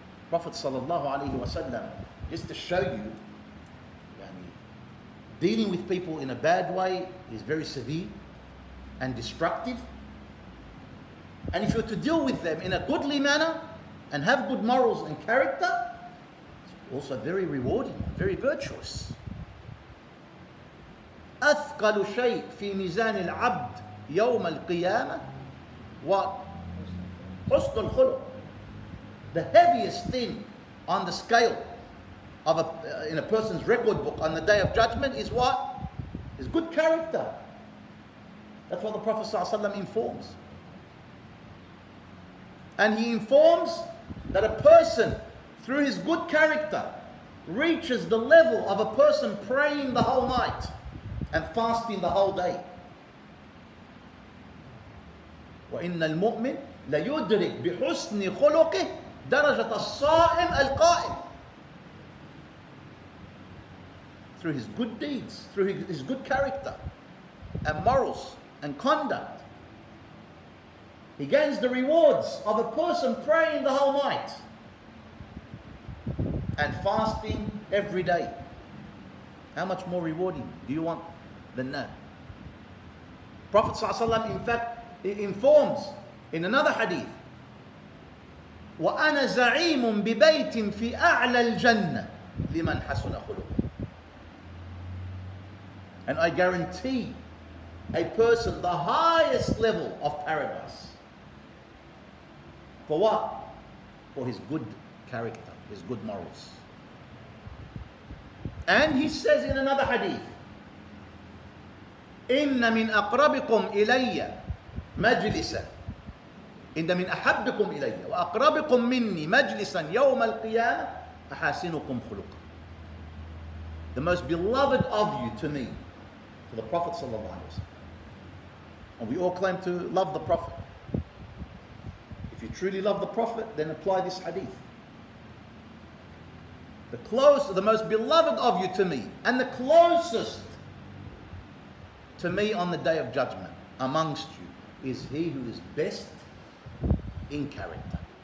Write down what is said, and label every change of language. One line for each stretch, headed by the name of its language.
English: Prophet sallallahu alayhi wa sallam, just to show you, dealing with people in a bad way is very severe and destructive. And if you're to deal with them in a goodly manner and have good morals and character, it's also very rewarding, very virtuous.
Arabic: أثقل شيء في ميزان العبد يوم القيامة وحسن الخلق.
English: The heaviest thing on the scale of in a person's record book on the Day of Judgment is what? Is good character. That's what the Prophet ﷺ informs. And he informs that a person, through his good character, reaches the level of a person praying the whole night and fasting the whole day.
Arabic: وَإِنَّ الْمُؤْمِنْ لَيُدْرِكْ بِحُسْنِ خُلُقِهِ دَرَجَةَ الصَّائِمِ الْقَائِمِ.
English: Through his good deeds, through his good character and morals and conduct, he gains the rewards of a person praying the whole night and fasting every day. How much more rewarding do you want than that? Prophet ﷺ, in fact, informs in another hadith,
Arabic: وَأَنَا زَعِيمٌ بِبَيْتٍ فِي أَعْلَى الْجَنَّةِ لِمَنْ حَسُنَ خُلُقٍ.
English: And I guarantee a person the highest level of paradise. For what? For his good character, his good morals. And he says in another hadith,
Arabic: إِنَّ مِنْ أَقْرَبِكُمْ إِلَيَّ مَجْلِسًا إِنَّ مِنْ أَحَبِّكُمْ إِلَيَّ وَأَقْرَبِكُمْ مِنِّي مَجْلِسًا يَوْمَ الْقِيَامَةِ أَحَاسِنُكُمْ خُلُقًا.
English: The most beloved of you to me, the Prophet sallallahu alaihi wasallam. And we all claim to love the Prophet. If you truly love the Prophet, then apply this hadith. The most beloved of you to me, and the closest to me on the Day of Judgment amongst you, is he who is best in character.